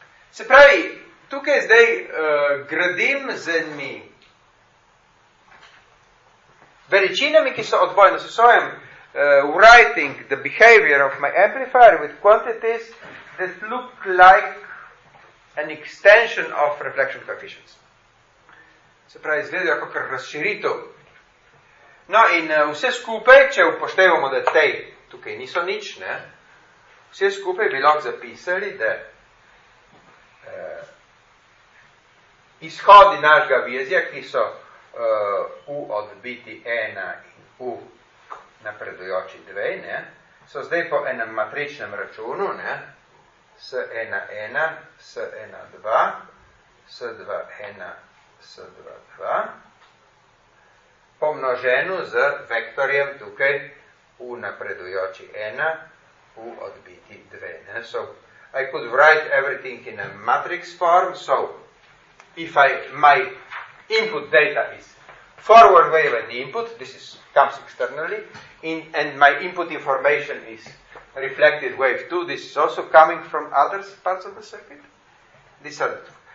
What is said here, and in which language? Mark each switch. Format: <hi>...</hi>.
<sl>Se pravi, tukaj zdaj gradim z njimi veličinami, ki so odvojne.</sl> <en>So svojem writing the behavior of my amplifier with quantities that look like an extension of reflection coefficients.</en> <sl>Se pravi, izgledajo kot razširitev. No, in vse skupaj, če upoštevamo, da te tukaj niso nič, ne, vse skupaj bi lahko zapisali, da izhodi našega vizija, ki so u odbiti 1 in u napredujoči 2, ne, so zdaj po enem matričnem računu, ne, S1-1, S1-2, S2-1, S2-2, pomnoženo z vektorjem tukaj u napredujoči 1, u odbiti 2. Ne.</sl> <en>So, I could write everything in a matrix form, so if I, my input data is forward wave and input, this is, comes externally, in, and my input information is reflected wave 2, this is also coming from other parts of the circuit. These are the two.</en>